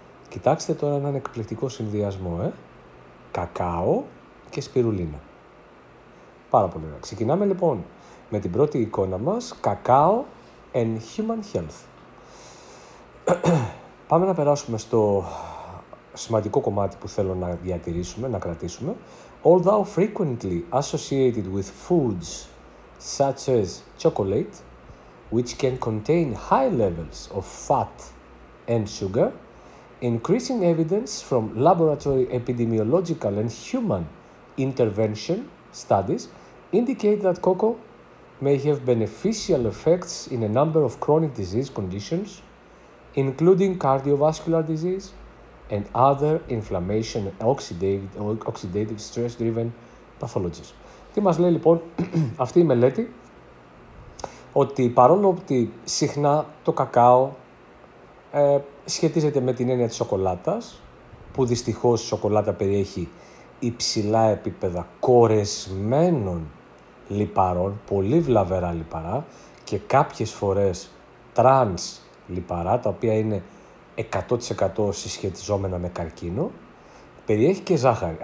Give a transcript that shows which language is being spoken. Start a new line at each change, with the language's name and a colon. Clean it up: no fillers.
Greek: Κοιτάξτε τώρα έναν εκπληκτικό συνδυασμό, Κακάο και σπιρουλίνα. Πάρα πολύ ωραία. Ξεκινάμε λοιπόν με την πρώτη εικόνα μας, κακάο
English: and human health.
Greek: Πάμε να περάσουμε στο σημαντικό κομμάτι που θέλω να διατηρήσουμε, να κρατήσουμε.
English: Although frequently associated with foods such as chocolate, which can contain high levels of fat and sugar, increasing evidence from laboratory epidemiological and human intervention studies indicate that cocoa may have beneficial effects in a number of chronic disease conditions, including cardiovascular disease and other inflammation and oxidative stress-driven pathologies.
Greek: Τι μας λέει λοιπόν αυτή η μελέτη? Ότι παρόλο ότι συχνά το κακάο σχετίζεται με την έννοια της σοκολάτας, που δυστυχώς η σοκολάτα περιέχει υψηλά επίπεδα κορεσμένων λιπαρών, πολύ βλαβερά λιπαρά και κάποιες φορές τρανς λιπαρά, τα οποία είναι 100% συσχετιζόμενα με καρκίνο, περιέχει και ζάχαρη.